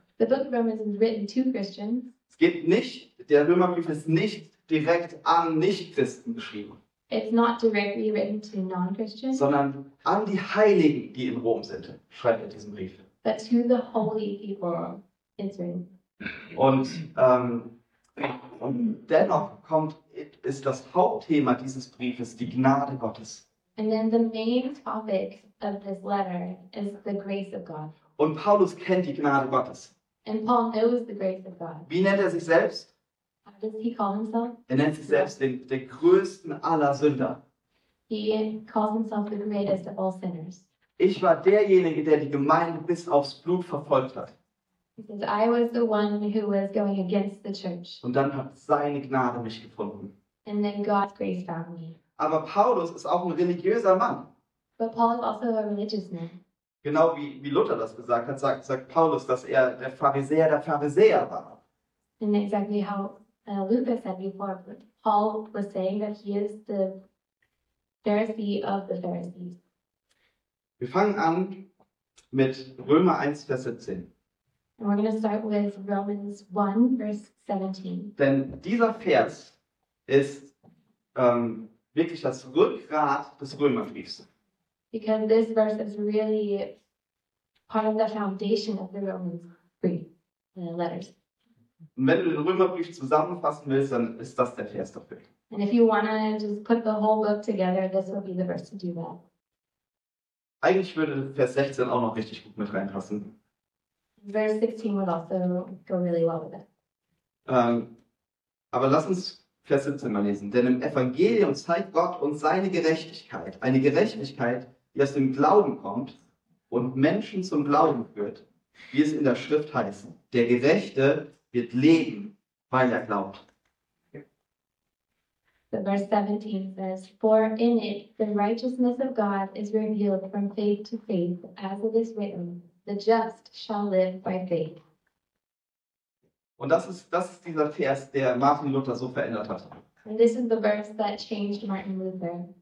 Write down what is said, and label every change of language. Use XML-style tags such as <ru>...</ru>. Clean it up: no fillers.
<en>The book of Romans is written to Christians.</en> <de>Es geht nicht, der Römerbrief ist nicht direkt an Nichtchristen geschrieben.</de> <en>It's not directly written to non-Christians.</en> <de>Sondern an die Heiligen, die in Rom sind, schreibt er diesen Brief.</de> <en>But to the holy people it's written.</en> <de>Und dennoch kommt, ist das Hauptthema dieses Briefes die Gnade Gottes.</de> <en>And then the main topic of this letter is the grace of God.</en> <de>Und Paulus kennt die Gnade Gottes.</de> <en>And Paul knows the grace of God.</en> <de>Wie nennt er sich selbst?</de> <en>How does he call himself?</en> <de>Er nennt sich selbst den größten aller Sünder.</de> <en>He calls himself the greatest of all sinners.</en> <de>Ich war derjenige, der die Gemeinde bis aufs Blut verfolgt hat.</de> <en>Because I was the one who was going against the church.</en> <de>Und dann hat seine Gnade mich gefunden.</de> <en>And then God's grace found me.</en> <de>Aber Paulus ist auch ein religiöser Mann.</de> <en>But Paul is also a religious man.</en> <de>Genau wie Luther das gesagt hat, sagt Paulus, dass er der Pharisäer der Pharisäer war.</de> <en>And exactly how Luther said before, Paul was saying that he is the Pharisee of the Pharisees.</en> <de>Wir fangen an mit Römer 1, Vers 17.</de> <en>And we're going to start with Romans 1, verse 17.</en> <de>Denn dieser Vers ist wirklich das Rückgrat des Römerbriefs.</de> <en>Because this verse is really part of the foundation of the Romans letters.</en> <de>Wenn du den Römerbrief zusammenfassen willst, dann ist das der Vers dafür.</de> <en>And if you want to just put the whole book together, this will be the verse to do that.</en> <de>Eigentlich würde Vers 16 auch noch richtig gut mit reinpassen.</de> <en>Verse 16 would also go really well with it.</en> <de>Aber lass uns Vers 17 mal lesen. Denn im Evangelium zeigt Gott uns seine Gerechtigkeit. Eine Gerechtigkeit, die aus dem Glauben kommt und Menschen zum Glauben führt, wie es in der Schrift heißt. Der Gerechte wird leben, weil er glaubt.</de> <en>So verse 17 says, for in it the righteousness of God is revealed from faith to faith, as it is written, the just shall live by faith.</en> <de>Und das ist dieser Vers, der Martin Luther so verändert hat.</de> <en>And this is the verse that changed Martin Luther.</en>